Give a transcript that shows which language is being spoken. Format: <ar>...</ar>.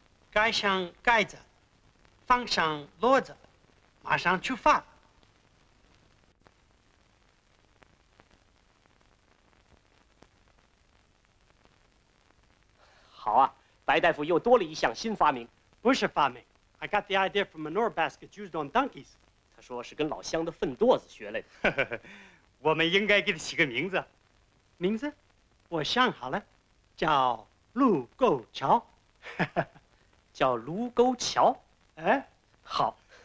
<zh>盖上盖子，放上箩子，马上出发。好啊，白大夫又多了一项新发明。不是发明。</zh> <en>I got the idea from manure basket used on donkeys.</en> <zh>他说是跟老乡的粪垛子学来的。我们应该给他起个名字。名字？我想好了，叫卢沟桥。叫卢沟桥？哎，好。</zh>